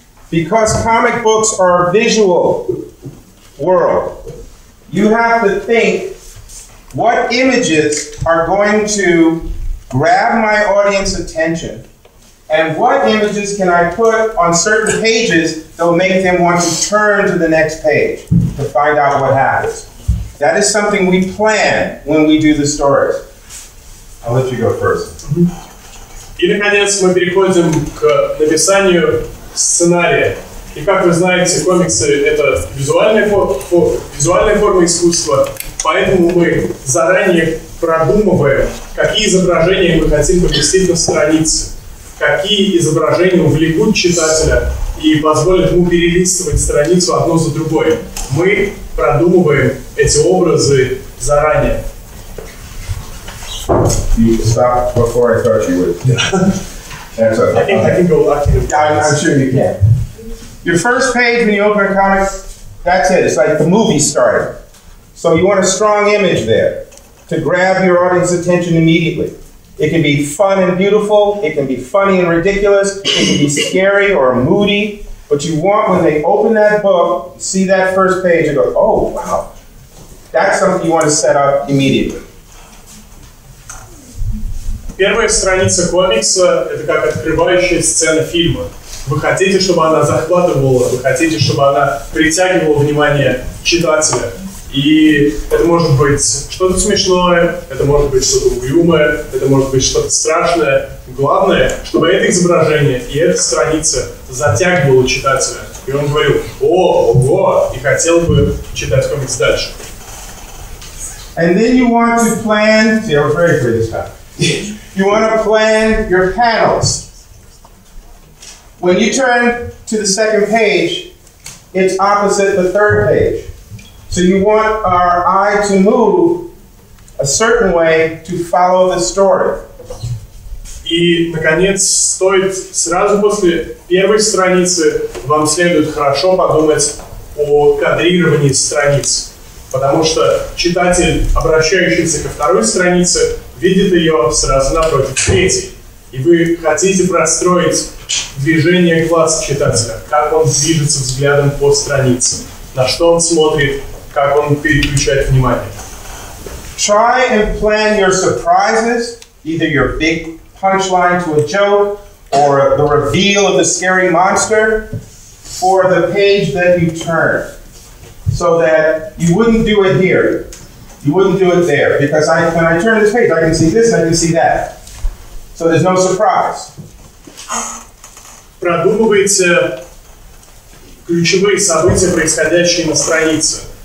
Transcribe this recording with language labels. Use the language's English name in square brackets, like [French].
[English] Because comic books are a visual world, you have to think what images are going to grab my audience's attention, and what images can I put on certain pages that will make them want to turn to the next page to find out what happens. That is something we plan when we do the stories. I'll let you go first. [Russian] Mm-hmm. И, наконец, мы переходим к написанию сценария. И, как вы знаете, комиксы — это визуальная форма искусства, поэтому мы заранее продумываем, какие изображения мы хотим поместить на странице, какие изображения увлекут читателя и позволят ему перелистывать страницу одно за другой. Мы продумываем эти образы заранее. [English] You stopped before I thought you would. Yeah. I think I can go lucky. I'm sure you can. Your first page when you open a comic, that's it. It's like the movie started. So you want a strong image there to grab your audience's attention immediately. It can be fun and beautiful, it can be funny and ridiculous, it can be scary or moody, but you want when they open that book, see that first page and go, oh, wow. That's something you want to set up immediately. [Russian] Первая страница комикса — это как открывающая сцена фильма. Вы хотите, чтобы она захватывала, вы хотите, чтобы она притягивала внимание читателя. И это может быть что-то смешное, это может быть что-то угрюмое, это может быть что-то страшное. Главное, чтобы это изображение и эта страница затягивала читателя. И он говорил, о, ого, и хотел бы читать комикс дальше. [English] And then you want to plan... See, I'm very good this time. You want to plan your panels. When you turn to the second page, it's opposite the third page. So you want our eye to move a certain way to follow the story. [Russian] И, наконец, стоит сразу после первой страницы вам следует хорошо подумать о кадрировании страниц. Потому что читатель, обращающийся ко второй странице, видит ее сразу напротив третьей. И вы хотите простроить движение глаз читателя, как он движется взглядом по странице, на что он смотрит, как он переключает внимание. [English] Try and plan your surprises, either your big punchline to a joke, or the reveal of the scary monster, for the page that you turn. So that you wouldn't do it here, you wouldn't do it there, because when I turn this page, I can see this, I can see that. So there's no surprise. [Russian] Продумывайте ключевые события, происходящие на странице.